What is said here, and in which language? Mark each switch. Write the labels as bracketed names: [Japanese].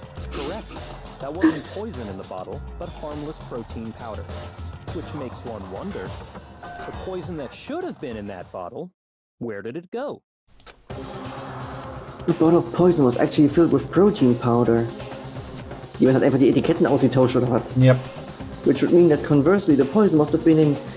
[English] Correct. That wasn't poison in the bottle, but harmless protein powder. Which makes one wonder. The poison that should have been in that bottle, where did it go? The bottle of poison was actually filled with protein powder. [German] Jemand hat einfach die Etiketten ausgetauscht oder was? [English] Yep. Which would mean that conversely, the poison must have been in...